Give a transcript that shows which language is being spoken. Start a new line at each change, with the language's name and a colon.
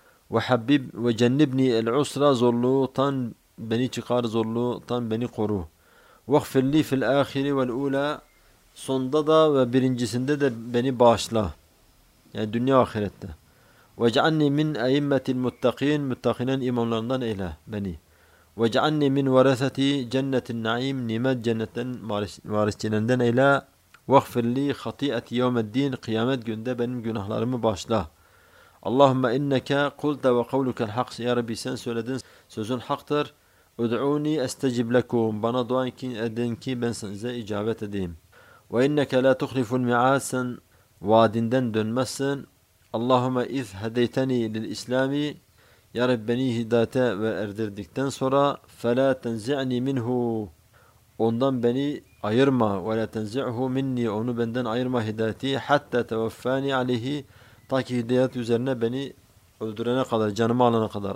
Arabic: Ve habib ve cennibni el usra,
Turkish: zorluğundan beni çıkar, zorluğundan beni koru.
Arabic: Ve gfirli fil ahiri vel ula,
Turkish: sonda da ve birincisinde de beni bağışla. Yani dünya ahirette.
Arabic: وَجَعَنِّي مِنْ اَيِمَّةِ الْمُتَّقِينَ,
Turkish: müttakinen imamlarından eyle beni.
Arabic: وَجَعَنِّي مِنْ وَرَثَةِ جَنَّةِ النَّعِيمِ,
Turkish: nimet cennetten varisçilerinden eyle.
Arabic: وَغْفِرْ لِي خَطِئَةِ يَوْمَ الدِّينِ,
Turkish: kıyamet günde benim günahlarımı bağışla.
Arabic: اللَّهُمَّ اِنَّكَ قُلْتَ وَقَوْلُكَ الْحَقِّ,
Turkish: ya Rabbi sen söyledin, sözün haktır.
Arabic: اُدْعُونِي أَسْتَجِبْ لَكُمْ,
Turkish: bana dua edin ki ben size icabet edeyim.
Arabic: وَاِنَّكَ لَا تُخْلِفُ الْمِعَادَ,
Turkish: sen vaadinden dönmezsin.
Arabic: Allahümme iz hedeyteni lil islami,
Turkish: ya Rabbi beni hidayete ve erdirdikten sonra,
Arabic: fela tenzi'ni minhu,
Turkish: ondan beni ayırma.
Arabic: Ve la tenzi'hu minni,
Turkish: onu benden ayırma hidayeti.
Arabic: Hatta teveffani aleyhi,
Turkish: ta ki hidayet üzerine beni öldürene kadar, canımı alana kadar.